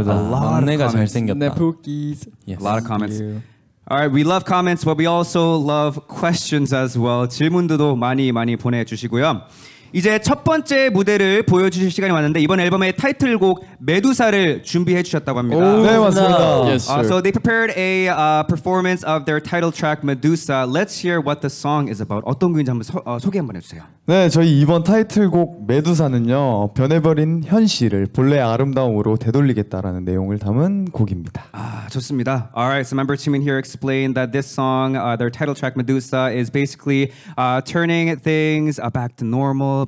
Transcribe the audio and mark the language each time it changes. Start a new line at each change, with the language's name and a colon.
English: a lot of comments. Alright, we love comments, but we also love questions as well.
Korean: 질문들도 많이 많이 보내주시고요. 이제 첫 번째 무대를 보여주실 시간이 왔는데 이번 앨범의 타이틀곡 메두사를 준비해 주셨다고 합니다. 오, 네, 맞습니다.
English: Yes, sir. So they prepared a performance of their title track Medusa. Let's hear what the song is about.
Korean: 어떤 곡인지 한번 소개 한번 해주세요. 네, 저희 이번 타이틀곡 메두사는요. 변해버린 현실을 본래 아름다움으로 되돌리겠다라는 내용을 담은 곡입니다. 아, 좋습니다.
English: Alright, so member Jimin here explained that this song, their title track Medusa, is basically turning things back to normal.